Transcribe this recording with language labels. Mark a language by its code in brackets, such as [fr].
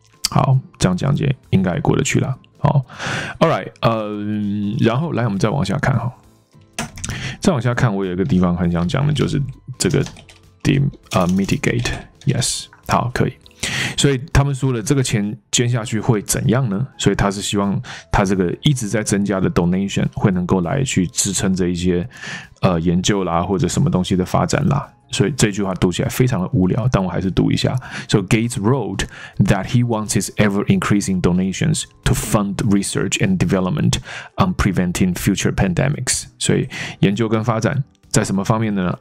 [zh] 好，这样讲解应该过得去啦。好， alright、然后来我们再往下看，好，再往下看，我有一个地方很想讲的，就是这个 mitigate， yes， 好，可以。所以他们说了，这个钱捐下去会怎样呢？所以他是希望他这个一直在增加的 donation 会能够来去支撑这一些、研究啦，或者什么东西的发展啦。所以这句话读起来非常的无聊，但我还是读一下。 [en] So Gates wrote that he wants his ever-increasing donations to fund research and development on preventing future pandemics. [zh] 所以研究跟发展在什么方面呢？